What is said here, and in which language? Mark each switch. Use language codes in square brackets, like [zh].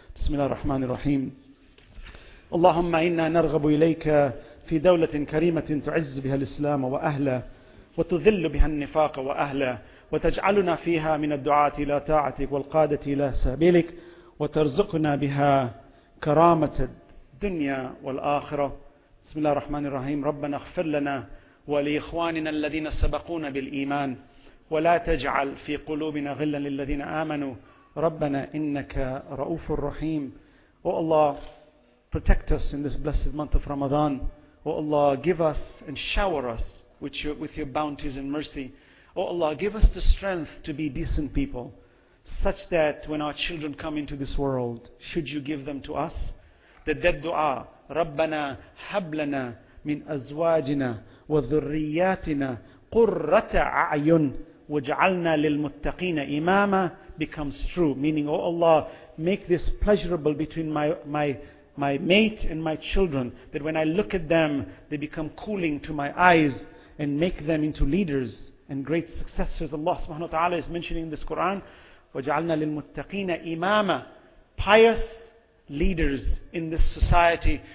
[ar] Bismillah ar-Rahman ar-Rahim. Allahumma inna narghabu ilayka fi dawlatin karimatin tu'izz biha al-Islam wa ahla wa tudhillu biha al-nifaq wa ahla wa taj'aluna fiha min al-du'ati ila ta'atik wal-qadati ila sabilik وترزقنا بها كرامة الدنيا والآخرة. بسم الله الرحمن الرحيم. ربنا اغفر لنا ولإخواننا الذين سبقونا بالإيمان ولا تجعل في قلوبنا غلا للذين آمنوا ربنا إنك رؤوف رحيم. [en] Oh Allah, protect us in this blessed month of Ramadan. Oh Allah, give us and shower us with your bounties and mercy. Oh Allah, give us the strength to be decent people, such that when our children come into this world, should you give them to us? The dead dua, [ar] رَبَّنَا حَبْلَنَا مِنْ أَزْوَاجِنَا وَذُرِّيَّاتِنَا قُرَّةَ أَعْيُنْ وَجْعَلْنَا لِلْمُتَّقِينَ إِمَامًا [en] becomes true. Meaning, oh Allah, make this pleasurable between my mate and my children, that when I look at them, they become cooling to my eyes, and make them into leaders and great successors. Allah subhanahu wa ta'ala is mentioning in this Quran, [ar] وَجَعَلْنَا لِلْمُتَّقِينَ إِمَامًا [en] pious leaders in this society.